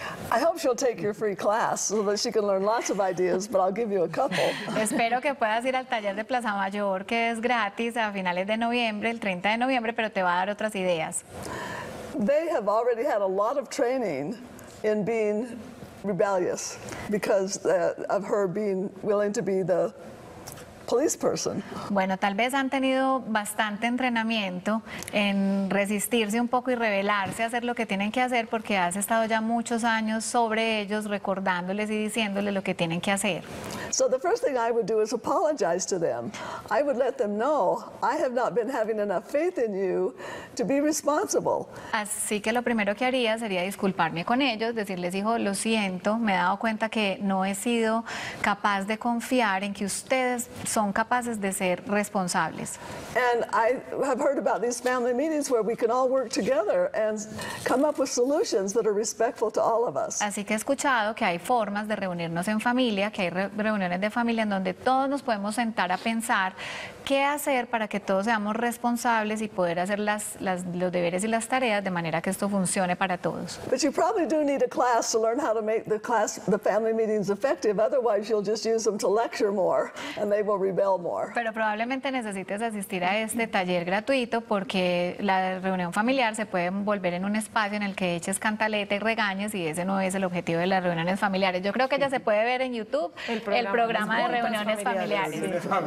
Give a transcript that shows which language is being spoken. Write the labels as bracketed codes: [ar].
[en] I hope she'll take your free class so that she can learn lots of ideas, but I'll give you a couple. [es] Espero que puedas ir al taller de Plaza Mayor, que es gratis a finales de noviembre, el 30 de noviembre, pero te va a dar otras ideas. [en] They have already had a lot of training in being rebellious because of her being willing to be the police person. [es] Bueno, tal vez han tenido bastante entrenamiento en resistirse un poco y rebelarse a hacer lo que tienen que hacer porque has estado ya muchos años sobre ellos recordándoles y diciéndoles lo que tienen que hacer. [en] So the first thing I would do is apologize to them. I would let them know I have not been having enough faith in you to be responsible. [es] Así que lo primero que haría sería disculparme con ellos, decirles, hijo, lo siento, me he dado cuenta que no he sido capaz de confiar en que ustedes son capaces de ser responsables. [en] And I have heard about these family meetings where we can all work together and come up with solutions that are respectful to all of us. [es] Así que he escuchado que hay formas de reunirnos en familia, que hay reuniones de familia en donde todos nos podemos sentar a pensar qué hacer para que todos seamos responsables y poder hacer los deberes y las tareas de manera que esto funcione para todos. [en] But you probably do need a class to learn how to make the family meetings effective. Otherwise, you'll just use them to lecture more and they will rebel more. [es] Pero probablemente necesites asistir a este taller gratuito porque la reunión familiar se puede volver en un espacio en el que eches cantaleta y regañes y ese no es el objetivo de las reuniones familiares. Yo creo que ya se puede ver en YouTube el programa de reuniones familiares.